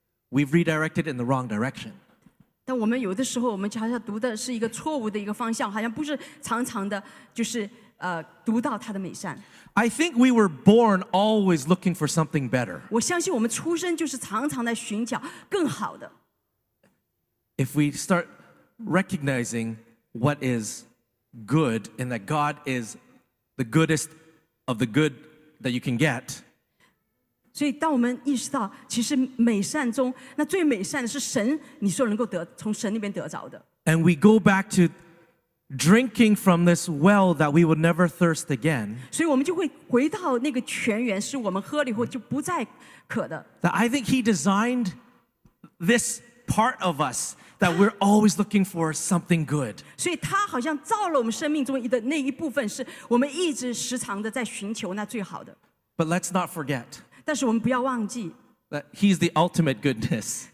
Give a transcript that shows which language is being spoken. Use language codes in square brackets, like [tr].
[en] We've redirected it in the wrong direction. I think we were born always looking for something better. If we start recognizing what is good and that God is the goodest of the good that you can get. [zh] 所以当我们意识到, 其实美善中, 那最美善的是神, 你所能够得, 从神那边得着的。 [en] And we go back to drinking from this well that we would never thirst again. [zh] 所以我们就会回到那个泉源, 是我们喝了以后就不再渴的。 [en] That I think He designed this part of us that we're always looking for something good. But let's not forget that He's the ultimate goodness.